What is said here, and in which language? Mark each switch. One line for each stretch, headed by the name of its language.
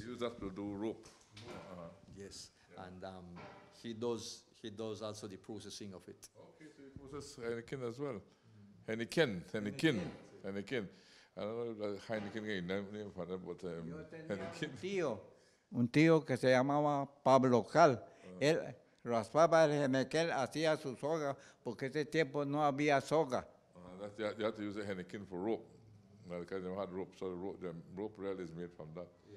English: They use that to do rope. Uh-huh. Yes, yeah. And he does also the processing of it. Okay, so he processes henequen as well. Henequen. I don't know if that's henequen again, name for that, but
Spanish: henequen. Un tío que se llamaba Pablo Cal. Uh-huh. Él raspaba el henequen, hacía su soga, porque ese tiempo no había soga.
English: You have to use a henequen for rope. Now, because they had rope, so the rope rail is made from that.